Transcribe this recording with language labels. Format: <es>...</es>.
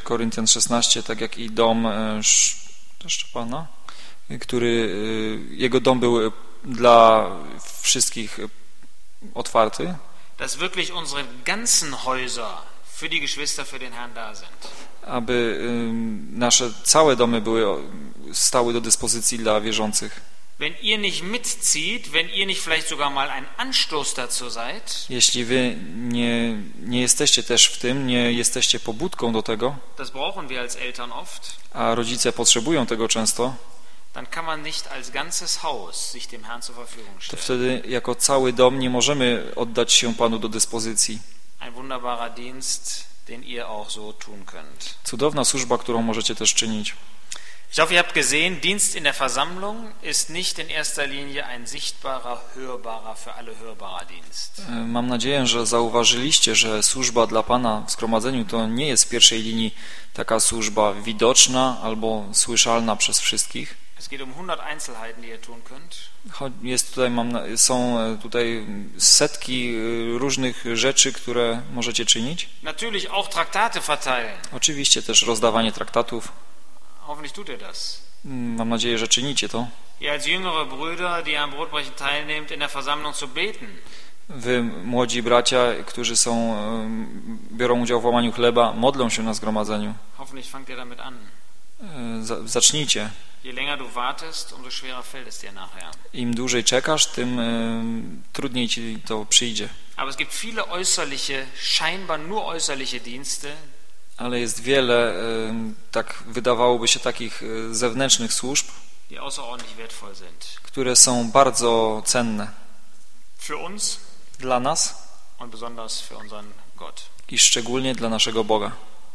<pl>Korinthian 16, tak jak i dom Stefana, który jego dom był dla wszystkich otwarty.</pl> <de>Dass wirklich unsere ganzen Häuser für die Geschwister für den Herrn da sind.</de> <pl>Aby nasze całe domy były stały do dyspozycji dla wierzących.</pl> <de>Wenn ihr nicht mitzieht, wenn ihr nicht vielleicht sogar mal ein Anstoß dazu seid.</de> <pl>Jeśli wy nie jesteście też w tym, nie jesteście pobudką do tego.</pl> <de>Das brauchen wir als Eltern oft.</de> <pl>A rodzice potrzebują tego często.</pl> <de>Dann kann man nicht als ganzes Haus sich dem Herrn zur Verfügung stellen.</de> <pl>To wtedy jako cały dom nie możemy oddać się Panu do dyspozycji.</pl> <de>Ein wunderbarer Dienst, den ihr auch so tun könnt.</de> <pl>Cudowna służba, którą możecie też czynić.</pl> <de>Ich hoffe, ihr habt gesehen, Dienst in der Versammlung ist nicht in erster Linie ein sichtbarer, hörbarer, für alle hörbarer Dienst.</de> <pl>Mam nadzieję, że zauważyliście, że służba dla Pana w zgromadzeniu to nie jest w pierwszej linii taka służba widoczna albo słyszalna przez wszystkich.</pl> <de>Es geht um 100 Einzelheiten, die ihr tun könnt.</de> <pl>Jest tutaj, są tutaj setki różnych rzeczy, które możecie czynić.</pl> <de>Natürlich auch Traktate verteilen.</de> <pl>Oczywiście też rozdawanie traktatów.</pl> <de>Hoffentlich tut ihr das.</de> <pl>Mam nadzieję, że czynicie to.</pl> <de>Ihr als jüngere Brüder, die am Brotbrechen teilnehmt, in der Versammlung zu beten.</de> <pl>Wy młodzi bracia, którzy są, biorą udział w łamaniu chleba, modlą się na zgromadzeniu.</pl> <de>Hoffentlich fangt ihr damit an.</de> <pl>Zacznijcie.</pl> <de>Je länger du wartest, umso schwerer fällt es dir nachher.</de> <pl>Im dłużej czekasz, tym trudniej ci to przyjdzie.</pl> <de>Aber es gibt viele äußerliche, scheinbar nur äußerliche Dienste.</de> <pl>Ale jest wiele, tak wydawałoby się, takich zewnętrznych służb,</pl> <de>die außerordentlich wertvoll sind.</de> <pl>Które są bardzo cenne.</pl> <de>Für uns.</de> <pl>Dla nas.</pl> <de>Und besonders für unseren Gott.</de> <pl>I szczególnie dla naszego Boga.</pl>